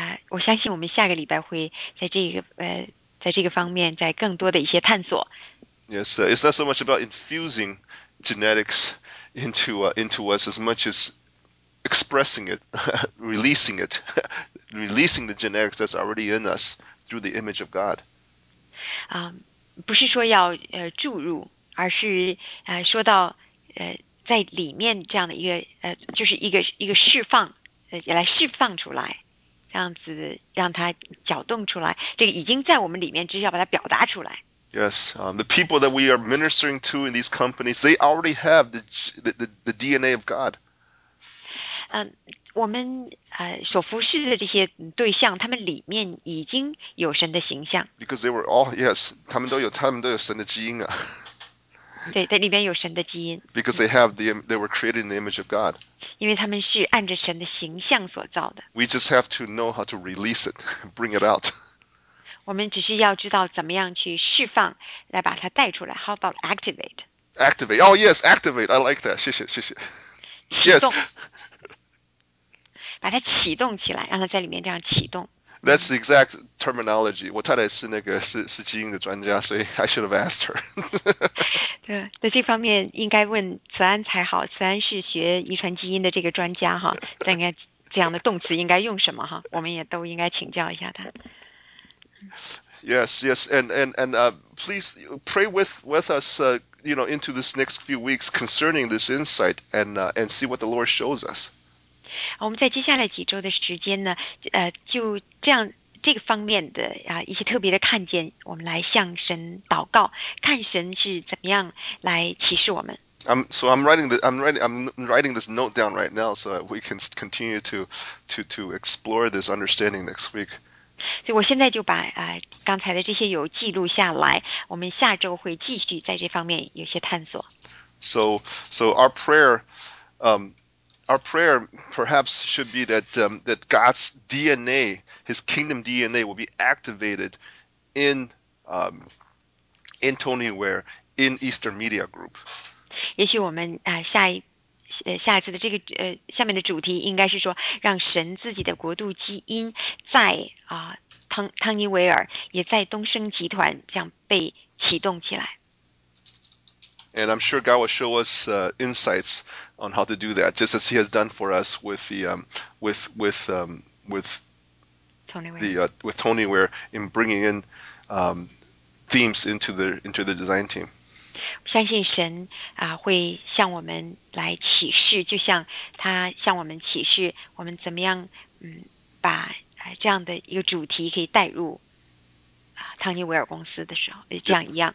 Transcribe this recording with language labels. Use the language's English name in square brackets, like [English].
[Chinese] 我相信我们下个礼拜会在这个方面再更多的一些探索。 [English] Yes, it's not so much about infusing genetics into us as much as expressing it, releasing it, releasing the genetics that's already in us through the image of God. [Chinese] 不是说要注入，而是说到在里面这样的一个就是一个释放，来释放出来，这样子让它搅动出来，这个已经在我们里面，只是要把它表达出来。 [English] Yes, the people that we are ministering to in these companies, they already have the DNA of God. [Chinese] 我们所服侍的这些对象，他们里面已经有神的形象。 [English] Because they were all yes, [Chinese] 他们都有神的基因啊。对，在里面有神的基因。 [English] Because they were created in the image of God. [Chinese] 因为他们是按着神的形象所造的。 [English] We just have to know how to release it, bring it out. [Chinese] 我们只是要知道怎么样去释放，来把它带出来。 [English] How about activate? Activate. Oh yes, activate. I like that. [Chinese] 谢谢。 [English] Yes. [Chinese] 把它启动起来，让它在里面这样启动。 [English] That's the exact terminology. [Chinese] 我太太是那个是基因的专家，所以 [English] I should have asked her. [Chinese] 对，在这方面应该问慈安才好。慈安是学遗传基因的这个专家哈，应该这样的动词应该用什么哈？我们也都应该请教一下他。 [English] Yes, and please pray with us, you know, into this next few weeks concerning this insight, and see what the Lord shows us. [Chinese] 我们在接下来几周的时间呢，就这样这个方面的一些特别的看见，我们来向神祷告，看神是怎么样来启示我们。 [English] I'm writing this note down right now so we can continue to explore this understanding next week. [Chinese] 所以我现在就把刚才的这些有记录下来，我们下周会继续在这方面有些探索。 [English] So our prayer perhaps should be that God's DNA, His kingdom DNA, will be activated in Tony Ware, in Eastern Media Group. [Chinese] 也许我们下一次的这个下面的主题应该是说，让神自己的国度基因在汤尼维尔也在东升集团这样被启动起来。 [English] And I'm sure God will show us insights on how to do that, just as He has done for us with the with Tony Ware in bringing in themes into the design team. [Chinese] 相信神会向我们来启示，就像他向我们启示，我们怎么样把这样的一个主题可以带入汤尼维尔公司的时候，这样一样。